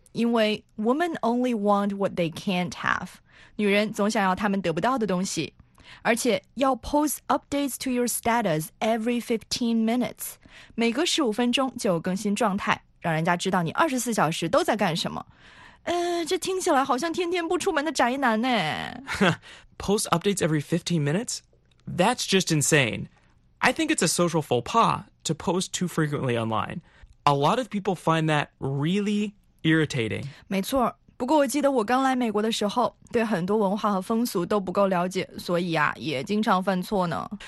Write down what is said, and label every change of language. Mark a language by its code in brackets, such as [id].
[en] 因为 women only want what they can't have. [zh] 女人总想要她们得不到的东西。 [en] 而且要 post updates to your status every 15 minutes. [zh] 每隔15分钟就更新状态，让人家知道你24小时都在干什么。这听起来好像天天不出门的宅男呢。 [en] Post updates every 15 minutes? That's just insane. I think it's a social faux pas to post too frequently online. A lot of people find that really... irritating. [zh] 没错，不过我记得我刚来美国的时候，对很多文化和风俗都不够了解，所以啊，也经常犯错呢。